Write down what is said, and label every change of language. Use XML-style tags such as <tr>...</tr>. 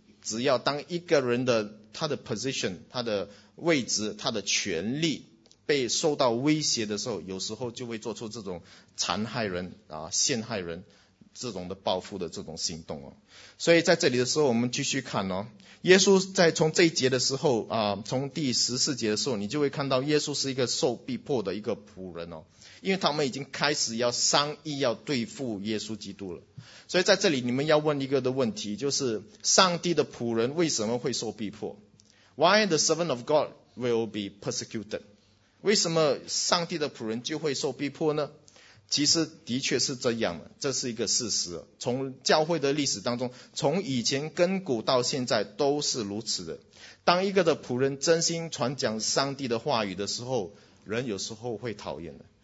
<zh>只要当一个人的他的 position、他的位置、他的权力被受到威胁的时候，有时候就会做出这种残害人陷害人这种的报复的这种行动所以在这里的时候，我们继续看耶稣在从这一节的时候从第十四节的时候，你就会看到耶稣是一个受逼迫的一个仆人因为他们已经开始要商议要对付耶稣基督了。所以在这里你们要问一个的问题，就是上帝的仆人为什么会受逼迫？</zh> <en>Why the servant of God will be persecuted?</en> <zh>为什么上帝的仆人就会受逼迫呢？其实的确是这样的，这是一个事实，从教会的历史当中，从以前根古到现在都是如此的。当一个的仆人真心传讲上帝的话语的时候，人有时候会讨厌的，</zh>